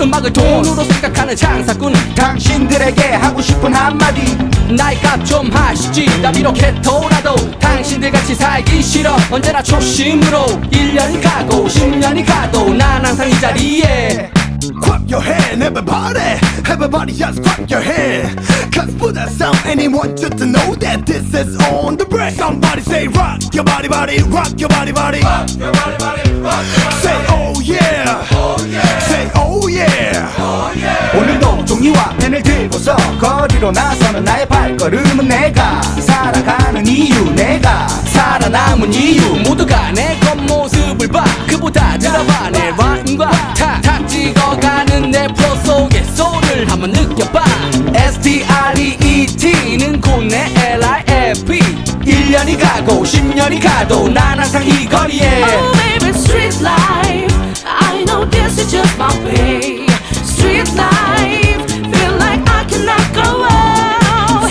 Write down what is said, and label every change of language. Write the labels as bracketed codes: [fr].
[ko] 음악을 돈으로 생각하는 장사꾼 당신들에게 하고 싶은 한마디 나의 값 좀 하시지 난 이렇게 토라도 당신들 같이 살기 싫어 언제나 초심으로 1년 가고 10년이 가도 난 항상 이 자리에 [en] Clap your hand, everybody. Everybody just clap your hand. Cause for that sound, anyone just to know that this is on the break. Somebody say rock your body, body, rock your body, body. Rock your body, body, rock your body. Say oh yeah, oh yeah. Say oh yeah, oh yeah. [ko] 오늘도 종이와 펜을 들고서 거리로 나서는 나의 발걸음은 내가 살아가는 이유, 내가 살아남은 이유. 모두가 내 겉모습을 봐. 그보다 들어봐 내 rhyme과 탁탁 찍어. 가는 내 프로 속의 소울을 한번 느껴봐 S.T.R.E.E.T는 곧내 L.I.F.E 1년이 가고 10년이 가도 난 항상 이 거리에 [en] Oh baby street life I know this is just my way Street life Feel like I cannot go on